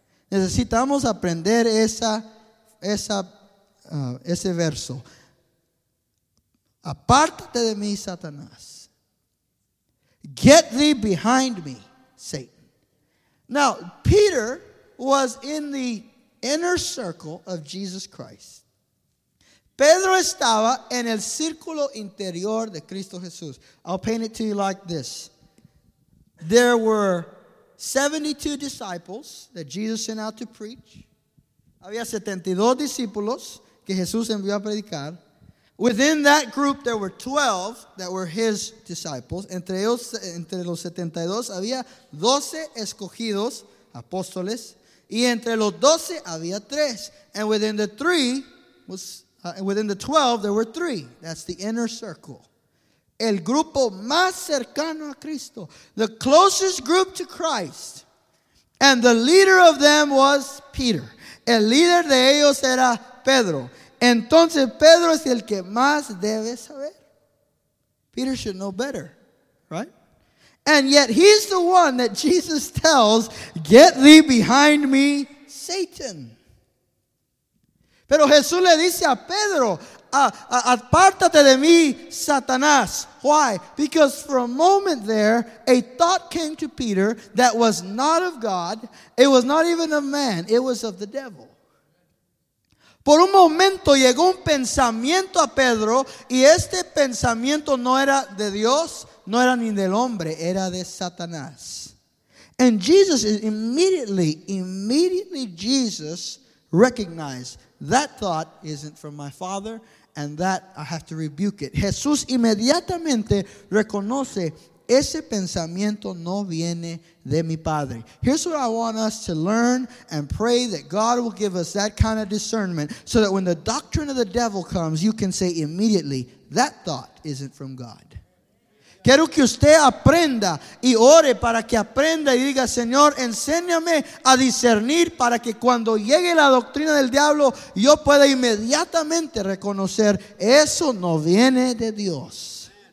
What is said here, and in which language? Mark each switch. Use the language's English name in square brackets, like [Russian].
[Spanish] Necesitamos aprender ese verso. Apártate de mí, Satanás. [English] Get thee behind me, Satan. Now, Peter was in the inner circle of Jesus Christ. [Spanish] Pedro estaba en el círculo interior de Cristo Jesús. [English] I'll paint it to you like this. There were 72 disciples that Jesus sent out to preach. [Spanish] Había 72 discípulos que Jesús envió a predicar. [English] Within that group, there were 12 that were his disciples. [Spanish] Entre los 72 había 12 escogidos apóstoles. Y entre los 12 había 3. [English] And within the 3 within the 12 there were 3. That's the inner circle. [Spanish] El grupo más cercano a Cristo, [English] the closest group to Christ. And the leader of them was Peter. [Spanish] El líder de ellos era Pedro. Entonces Pedro es el que más debe saber. [English] Peter should know better, right? And yet he's the one that Jesus tells, get thee behind me, Satan. [Spanish] Pero Jesús le dice a Pedro, apártate de mí, Satanás. [English] Why? Because for a moment there, a thought came to Peter that was not of God. It was not even of man. It was of the devil. [Spanish] Por un momento llegó un pensamiento a Pedro, y este pensamiento no era de Dios, no era ni del hombre, era de Satanás. [English] And Jesus immediately Jesus recognized that thought isn't from my Father, and that I have to rebuke it. [Spanish] Jesús inmediatamente reconoce, ese pensamiento no viene de mi Padre. [English] Here's what I want us to learn and pray that God will give us that kind of discernment so that when the doctrine of the devil comes, you can say immediately, that thought isn't from God. [Spanish] Quiero que usted aprenda y ore para que aprenda y diga, Señor, enséñame a discernir para que cuando llegue la doctrina del diablo, yo pueda inmediatamente reconocer, eso no viene de Dios.